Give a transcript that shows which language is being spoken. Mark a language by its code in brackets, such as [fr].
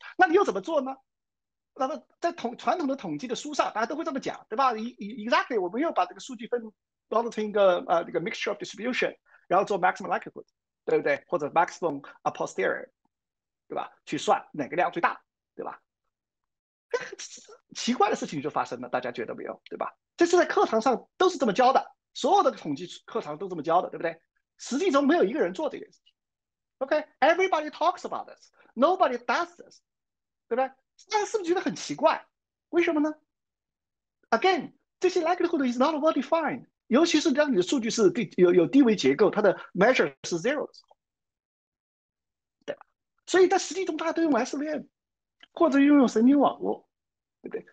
[zh] 那你又怎么做呢？那么在传统的统计的书上，大家都会这么讲，对吧？Exactly，我们又把这个数据包装成一个这个 mixture of distribution，然后做 maximum likelihood，对不对？或者 maximum a posteriori，对吧？去算哪个量最大，对吧？奇怪的事情就发生了，大家觉得没有，对吧？这是在课堂上都是这么教的，所有的统计课堂都这么教的，对不对？实际中没有一个人做这件事情。 [en] OK，everybody、talks about this，nobody does this， [zh] 对不对？大家是不是觉得很奇怪？为什么呢？Again，这些 [en] likelihood is not well defined， [zh] 尤其是当你的数据是对有低维结构，它的 measure 是 zero 的时候，所以在实际中，大家都用 SVM 或者用神经网络。对不对？